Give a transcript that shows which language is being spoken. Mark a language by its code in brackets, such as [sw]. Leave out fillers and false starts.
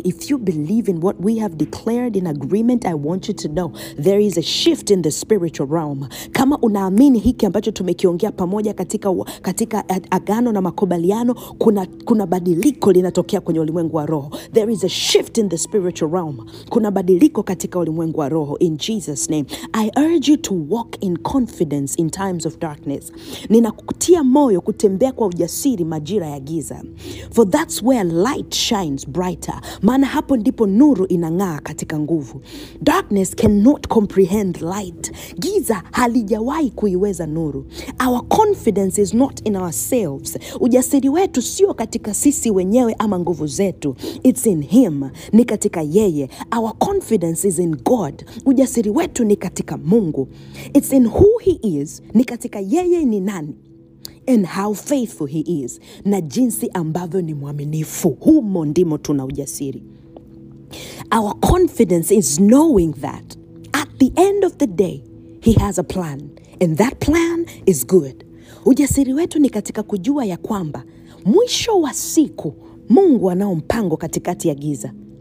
[en] If you believe in what we have declared in agreement, I want you to know there is a shift in the spiritual realm. [sw] Kama unaamini hiki ambacho tumekiongea pamoja katika agano na makubaliano, kuna badiliko linatokea kwenye ulimwengu wa roho. [en] There is a shift in the spiritual realm. [sw] Kuna badiliko katika ulimwengu wa roho. [en] In Jesus' name, I urge you to walk in confidence in times of darkness. [sw] Ninakutia moyo kutembea kwa ujasiri majira ya giza. [en] For that's where light shines brighter. [sw] Maana hapo ndipo nuru inang'aa katika nguvu. [en] Darkness cannot comprehend light. [sw] Giza halijawahi kuiweza nuru. [en] Our confidence is not in ourselves. [sw] Ujasiri wetu sio katika sisi wenyewe ama nguvu zetu. [en] It's in him. [sw] Ni katika yeye. [en] Our confidence is in God. [sw] Ujasiri wetu ni katika Mungu. [en] It's in who he is. [sw] Ni katika yeye ni nani. [en] And how faithful he is. [sw] Na jinsi ambavyo ni mwaminifu. Humo ndimo tuna ujasiri. [en] Our confidence is knowing that at the end of the day, he has a plan. And that plan is good. [sw] Ujasiri wetu ni katika kujua ya kwamba mwisho wa siku, Mungu anao mpango katikati ya giza.